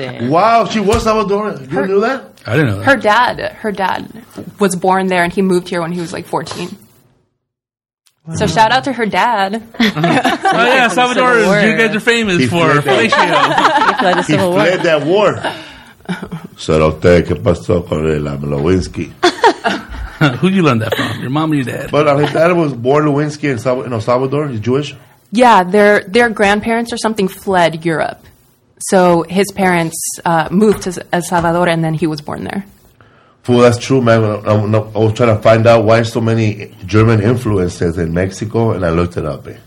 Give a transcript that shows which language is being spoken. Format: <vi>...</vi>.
<en>Wow, she was Salvadoran. You knew that? I didn't know that. Her dad was born there, and he moved here when he was like 14. So shout out to her dad. Oh, well, yeah, Salvador, you guys are famous for Felicio. He fled that war.</en> <es>Cerote, ¿qué pasó con el Lewinsky?</es> <en>Who you learned that from? Your mom or your dad? But his dad was born Lewinsky in El Salvador. He's Jewish? Yeah, their grandparents or something fled Europe. So his parents moved to El Salvador, and then he was born there. Well, that's true, man. I was trying to find out why so many German influences in Mexico, and I looked it up.</en>